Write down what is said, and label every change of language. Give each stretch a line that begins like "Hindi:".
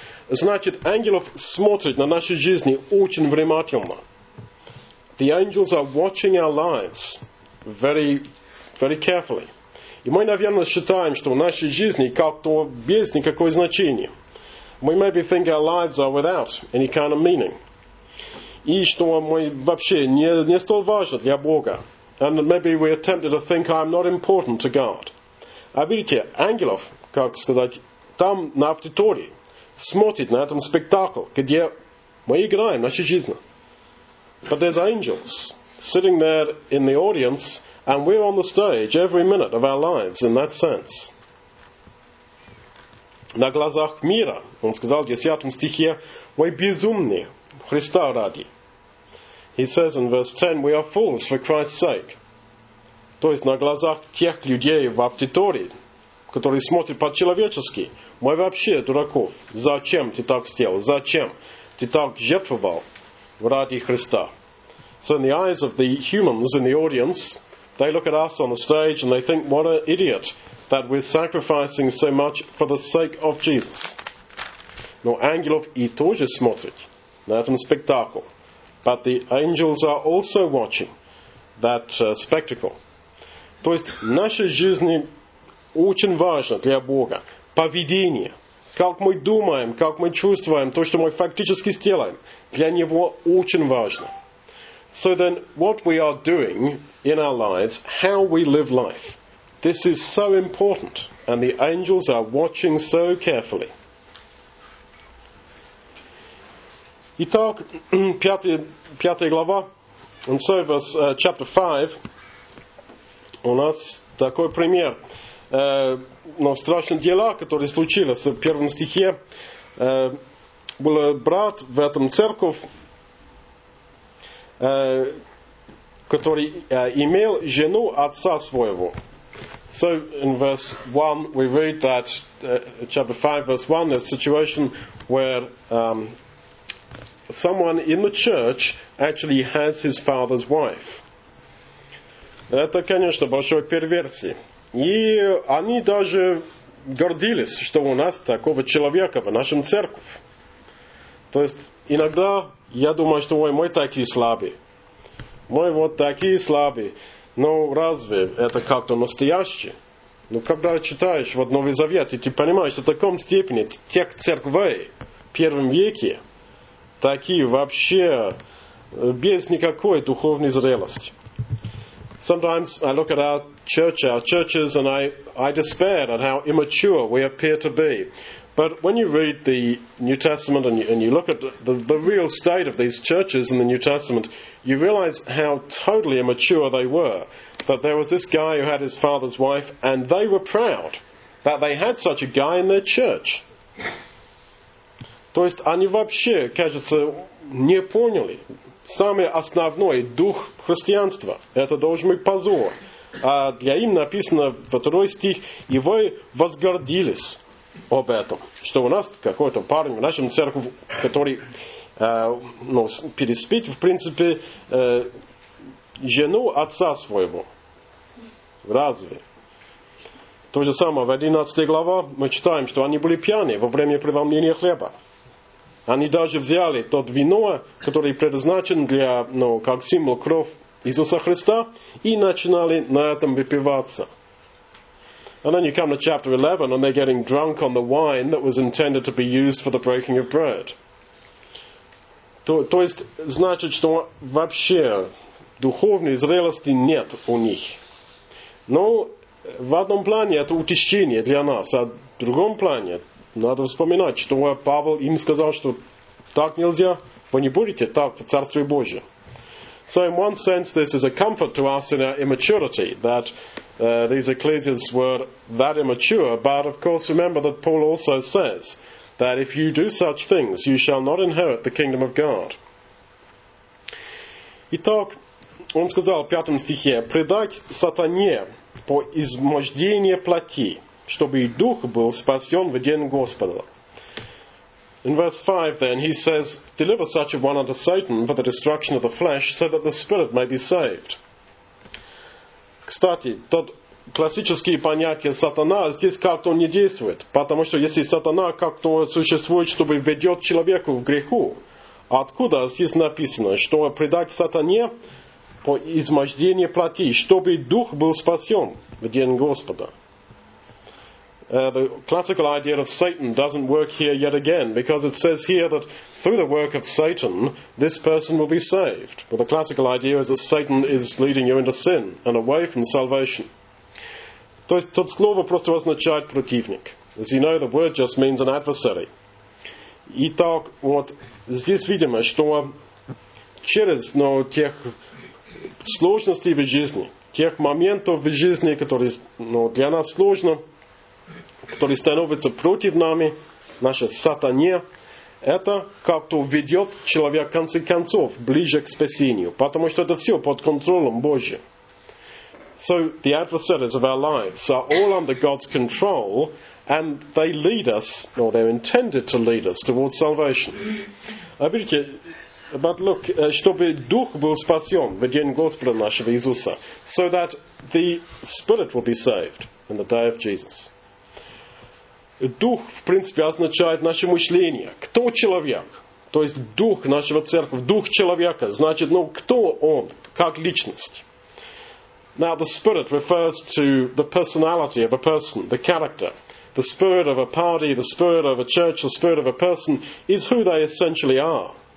Russian: Значит, ангелов смотрит на нашу жизнь очень внимательно.
English: The angels are watching our lives very, very carefully.
Russian: И мы, наверное, считаем, что в нашей жизни как-то без никакого значения.
English: We maybe think our lives are without any kind of meaning.
Russian: И что мы вообще не столь важны для Бога.
English: And maybe we are tempted to think I'm not important to God.
Russian: А видите, ангелов, как сказать, там на аудитории смотрит на этом спектакле, где мы играем в нашей жизни.
English: But there's angels sitting there in the audience, and we're on the stage every minute of our lives in that sense.
Russian: На глазах мира, он сказал в 10 стихе, вы безумны Христа ради.
English: He says in verse 10, we are fools for Christ's sake.
Russian: То есть на глазах тех людей в аудитории, которые смотрят по-человечески, мы вообще дураков. Зачем ты так сделал? Зачем ты так жертвовал ради Христа?
English: So in the eyes of the humans in the audience, they look at us on the stage and they think, what an idiot that we're sacrificing so much for the sake of Jesus.
Russian: Но ангелов и тоже смотрят на этом спектакле.
English: But the angels are also watching that spectacle.
Russian: То есть наша жизнь очень важна для Бога. Поведение. Как мы думаем, как мы чувствуем, то, что мы фактически сделаем, для Него очень важно.
English: So then, what we are doing in our lives, how we live life, this is so important, and the angels are watching so carefully.
Russian: Итак, пятая глава,
English: and so verse chapter 5,
Russian: у нас такой пример. Но страшные дела, которые случились в первом стихе, был брат в этом церковь, который имел жену отца своего.
English: So in verse 1, we read that, chapter 5, verse 1, there's a situation where someone in the church actually has his father's wife.
Russian: Это, конечно, большой перверсия. И они даже гордились, что у нас такого человека в нашем церкви. То есть иногда я думаю, что ой, мы такие слабые. Мы вот такие слабые. Но разве это как-то настоящее? Ну, когда читаешь вот Новый Завет, и ты понимаешь, что в таком степени тех церквей в первом веке такие вообще без никакой духовной зрелости.
English: Sometimes I look at our churches, and I despair at how immature we appear to be. But when you read the New Testament and you look at the real state of these churches in the New Testament, you realize how totally immature they were. That there was this guy who had his father's wife, and they were proud that they had such a guy in their church.
Russian: То есть они вообще, кажется, не поняли. Самый основной дух христианства. Это должен быть позор. А для им написано во второй стих, и вы возгордились об этом. Что у нас какой-то парень в нашем церкви, который переспит, в принципе, жену отца своего. Разве? То же самое в 11 главе мы читаем, что они были пьяны во время преломления хлеба. Они даже взяли тот вино, который предназначен для, как символ кровь Иисуса Христа, и начинали на этом выпиваться.
English: And then you come to chapter 11, and they're getting drunk on the wine that was intended to be used for the breaking of bread.
Russian: То есть, значит, что вообще духовной зрелости нет у них. Но в одном плане это утешение для нас, а в другом плане надо вспоминать, что Павел им сказал, что так нельзя, вы не будете так в Царстве Божьем.
English: So in one sense this is a comfort to us in our immaturity, that these ecclesias were that immature, but of course remember that Paul also says that if you do such things, you shall not inherit the kingdom of God.
Russian: Итак, он сказал в пятом стихе, «Предать сатане по измождению плоти, чтобы и дух был спасен в день Господа».
English: In verse 5 then, he says, «Deliver such a one unto Satan for the destruction of the flesh, so that the spirit may be saved».
Russian: Кстати, тот классический понятие сатана здесь как-то не действует, потому что если сатана как-то существует, чтобы ведет человеку в греху, откуда здесь написано, что предать сатане по измождению плоти, чтобы дух был спасен в день Господа?
English: The classical idea of Satan doesn't work here yet again, because it says here that through the work of Satan, this person will be saved. But the classical idea is that Satan is leading you into sin and away from salvation.
Russian: То есть, тут слово просто означает противник.
English: As you know, the word just means an adversary.
Russian: Итак, вот здесь видимо, что через тех сложностей в жизни, тех моментов в жизни, которые для нас сложно, который становится против нами, наше сатане, это как-то ведет человека, в конце концов, ближе к спасению, потому что это все под контролем Божьим.
English: So the adversaries of our lives are all under God's control, and they lead us, or they're intended to lead us, towards salvation.
Russian: Видите,
English: but look,
Russian: чтобы дух был спасен в день Господа нашего Иисуса,
English: so that the Spirit will be saved in the day of Jesus.
Russian: Дух, в принципе, означает наше мышление. Кто человек? То есть дух нашего церкви, дух человека, значит, кто он, как личность?
English: Now, the spirit refers to the personality of a person, the character. The spirit of a party, the spirit of a church, the spirit of a person is who they essentially are.